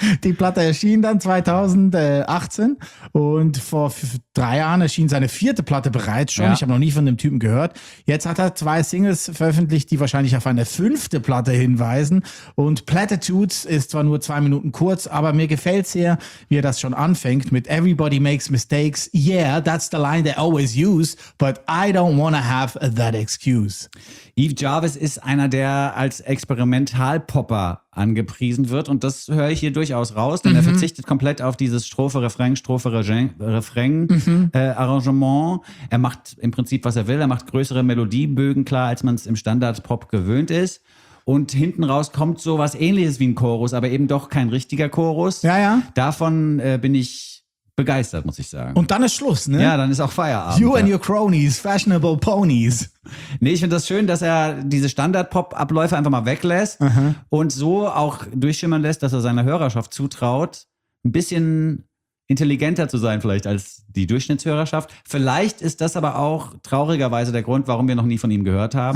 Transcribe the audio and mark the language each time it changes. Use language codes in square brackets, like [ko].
[de] Die Platte erschien dann 2018 und vor drei Jahren erschien seine vierte Platte bereits schon. Ja. Ich habe noch nie von dem Typen gehört. Jetzt hat er zwei Singles veröffentlicht, die wahrscheinlich auf eine fünfte Platte hinweisen. Und Platitudes ist zwar nur zwei Minuten kurz, aber mir gefällt sehr, wie er das schon anfängt mit [en] Everybody makes mistakes. Yeah, that's the line they always use, but I don't wanna have that excuse. [de] Yves Chavez ist einer, der als Experimentalpopper angepriesen wird. Und das höre ich hier durchaus raus, denn er verzichtet komplett auf dieses Strophe-Refrain-Arrangement. Er macht im Prinzip, was er will. Er macht größere Melodiebögen klar, als man es im Standard-Pop gewöhnt ist. Und hinten raus kommt so was Ähnliches wie ein Chorus, aber eben doch kein richtiger Chorus. Ja, ja. Davon bin ich begeistert, muss ich sagen. Und dann ist Schluss, ne? Ja, dann ist auch Feierabend. [en] You and your cronies, fashionable ponies. [de] Nee, ich finde das schön, dass er diese Standard-Pop-Abläufe einfach mal weglässt und so auch durchschimmern lässt, dass er seiner Hörerschaft zutraut, ein bisschen intelligenter zu sein vielleicht als die Durchschnittshörerschaft. Vielleicht ist das aber auch traurigerweise der Grund, warum wir noch nie von ihm gehört haben.